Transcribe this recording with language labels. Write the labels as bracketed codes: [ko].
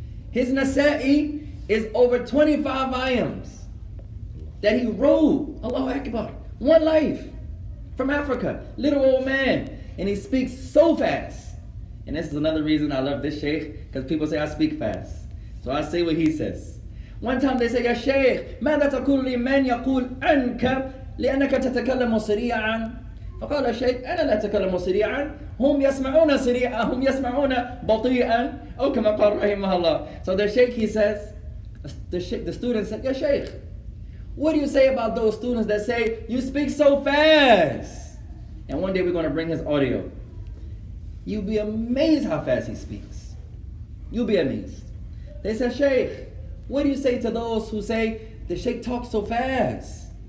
[en] His Nasa'i is over 25 volumes that he wrote, Allahu Akbar, one life from Africa, little old man, and he speaks so fast. And this is another reason I love this Sheikh, because people say I speak fast. So I say what he says. One time they say, Ya Sheikh, [ar] ماذا تقول لمن يقول عنك لأنك تتكلم سريعا؟ فقال الشيخ أنا لا أتكلم سريعا هم يسمعون سريعا هم يسمعون بطيئا أو كما قال رحمه الله. [en] So the Sheikh, he says, the student said, Ya Sheikh, what do you say about those students that say, you speak so fast? And one day we're going to bring his audio. You'll be amazed how fast he speaks. You'll be amazed. They said, Sheikh, what do you say to those who say, the Sheikh talks so fast?